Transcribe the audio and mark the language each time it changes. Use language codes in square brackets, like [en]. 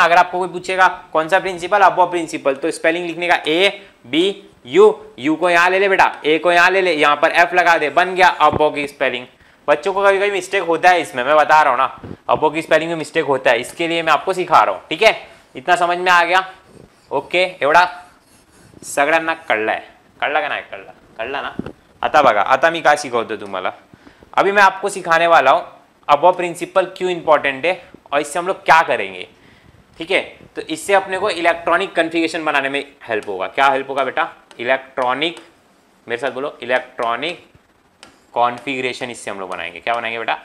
[hi] अगर आपको कोई पूछेगा कौन सा प्रिंसिपल? अफबॉब प्रिंसिपल। तो स्पेलिंग लिखने का ए बी यू, यू को यहां ले ले बेटा, ए को यहां ले ले, यहां पर एफ लगा दे, बन गया अफबॉब की स्पेलिंग। बच्चों को कभी कभी मिस्टेक होता है इसमें, मैं बता रहा हूं ना, अफबॉब की स्पेलिंग में मिस्टेक होता है, इसके लिए मैं आपको सिखा रहा हूं, ठीक है। इतना समझ में आ गया? [mr] ओके, एवढा सगळ्यांना कळलं आहे? कळलं का नाही? कळलं कळलं ना? आता बघा, आता मी काय शिकवतो तुम्हाला, [hi] अभी मैं आपको सिखाने वाला हूँ अबव प्रिंसिपल क्यों इम्पॉर्टेंट है और इससे हम लोग क्या करेंगे, ठीक है। तो इससे अपने को इलेक्ट्रॉनिक कॉन्फ़िगरेशन बनाने में हेल्प होगा। क्या हेल्प होगा बेटा? इलेक्ट्रॉनिक मेरे साथ बोलो इलेक्ट्रॉनिक कॉन्फ़िगरेशन इससे हम लोग बनाएंगे। क्या बनाएंगे बेटा?